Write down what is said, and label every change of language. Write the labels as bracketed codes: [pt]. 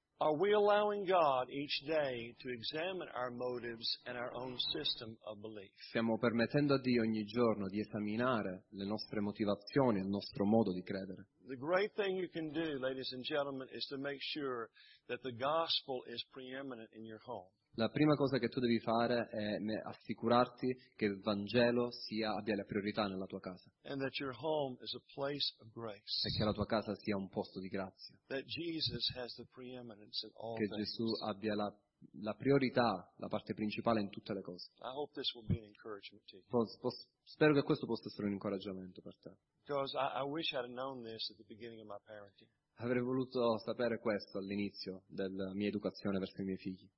[en] Are we allowing God each day to examine our motives and our own system of belief? [it] Stiamo permettendo a Dio ogni giorno di esaminare le nostre motivazioni, il nostro modo di credere. [en] The great thing you can do, ladies and gentlemen, is to make sure that the gospel is preeminent in your home. [it] La prima cosa che tu devi fare è assicurarti che il Vangelo abbia la priorità nella tua casa. [en] And that your home is a place of grace. [it] E che la tua casa sia un posto di grazia. [en] That Jesus has the preeminence in all [it] che [en] things. [it] Gesù abbia la priorità, la parte principale in tutte le cose. [en] I hope this will be an encouragement to you. [it] Spero che questo possa essere un incoraggiamento per te. [en] Because I wish I'd known this at the beginning of my parenting. [it] Avrei voluto sapere questo all'inizio della mia educazione verso i miei figli.